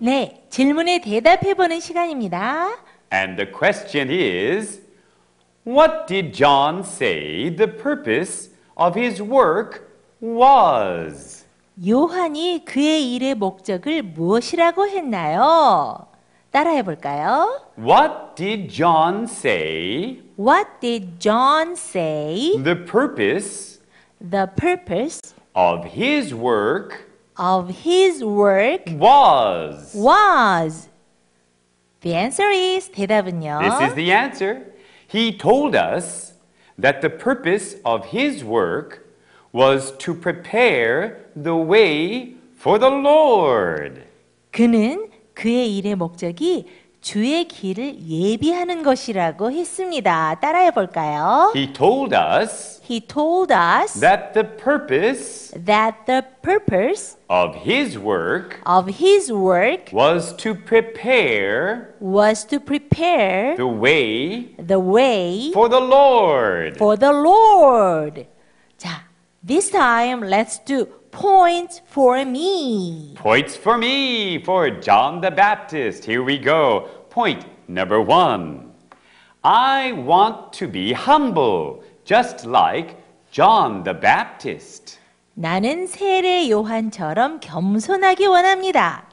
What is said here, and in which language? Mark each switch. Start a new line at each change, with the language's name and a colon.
Korean: 네, 질문에 대답해보는 시간입니다.
English: And the question is, what did John say the purpose of his work was?
Korean: 요한이 그의 일의 목적을 무엇이라고 했나요? 따라해 볼까요?
English: What did John say? What did John say? The purpose? The purpose of his work? Of his work was? Was. The answer is
Korean: 대답은요.
English: This is the answer. He told us that the purpose of his work was to prepare the way for the Lord.
Korean: 그는 그의 일의 목적이 주의 길을 예비하는 것이라고 했습니다. 따라해 볼까요?
English: He told us that the purpose of his work was to prepare the way for the Lord. 자, this time let's do points for me. Points for me for John the Baptist. Here we go. Point number one. I want to be humble, just like John the Baptist.
Korean: 나는 세례 요한처럼 겸손하기 원합니다.